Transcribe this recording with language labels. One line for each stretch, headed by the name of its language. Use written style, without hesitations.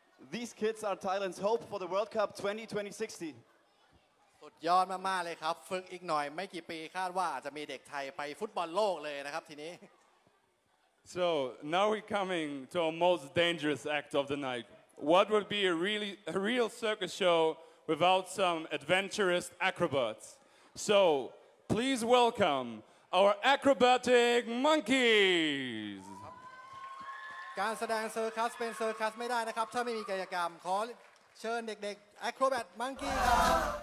English: These kids are Thailand's hope for the World Cup 2026.
Thai: สุดยอดมากๆเลยครับฝึกอีกหน่อยไม่กี่ปีคาดว่าจะมีเด็กไทยไปฟุตบอลโลกเลยนะครับทีนี้
English: So now we're coming to our most dangerous act of the night. What would be a real circus show without some adventurous acrobats? So please welcome our acrobatic monkeys.
Thai: การแสดงเซอร์คัสเป็นเซอร์คัสไม่ได้นะครับถ้าไม่มีกิจกรรมขอเชิญเด็กๆ acrobat monkey ครับ